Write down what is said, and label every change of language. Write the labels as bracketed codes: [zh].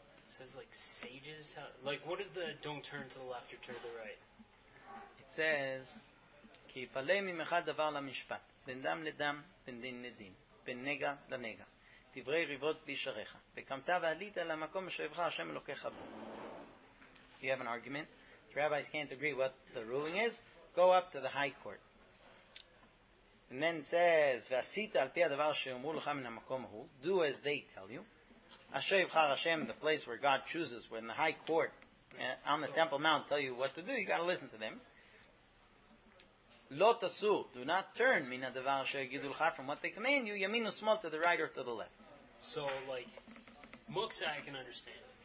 [en] It says, like, sages... Like, what is the don't turn to the left or turn to the right? It says... [he] כי יפלה ממחד דבר למשפט, בין דם לדם, בין דין לדין, בין נגע לנגע. דברי ריבות בישריך. וקמת ועלית למקום שאוהבך השם אלוקיך בו. [en] You have an argument. The rabbis can't agree what the ruling is. Go up to the high court. And then says, [he] ועשית על פי הדבר שאומרו לך מן המקום ההוא. [en] Do as they tell you. [he] אשר יבחר השם, [en] the place where God chooses, when the high court, on the Temple Mount, tell you what to do, you got to listen to them. [he] לא תסו, [en] do not turn [he] מן הדבר שיגידו לך [en] from what they command you, [he] ימין ושמאל [en] to the right or to the left. So, like, Muksa I can understand.